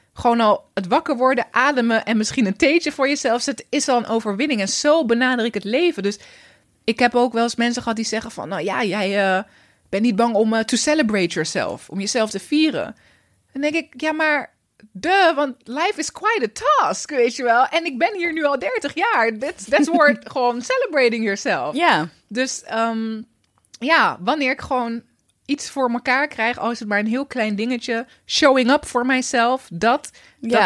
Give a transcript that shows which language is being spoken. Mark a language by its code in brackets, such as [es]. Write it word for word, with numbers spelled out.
[nl] Gewoon al het wakker worden, ademen en misschien een theetje voor jezelf zetten... is al een overwinning. En zo benader ik het leven. Dus ik heb ook wel eens mensen gehad die zeggen van... nou ja, jij uh, bent niet bang om uh, [en] to celebrate yourself. [nl] Om jezelf te vieren. Dan denk ik, ja maar... duh, want [en] life is quite a task, [nl] weet je wel. En ik ben hier nu al dertig jaar. [en] That's, that's worth [nl] gewoon [en] celebrating yourself. [nl] Ja. Dus um, ja, wanneer ik gewoon... iets voor elkaar krijg, al is het maar een heel klein dingetje. [en] Showing up [nl] voor mijzelf, dat, ja.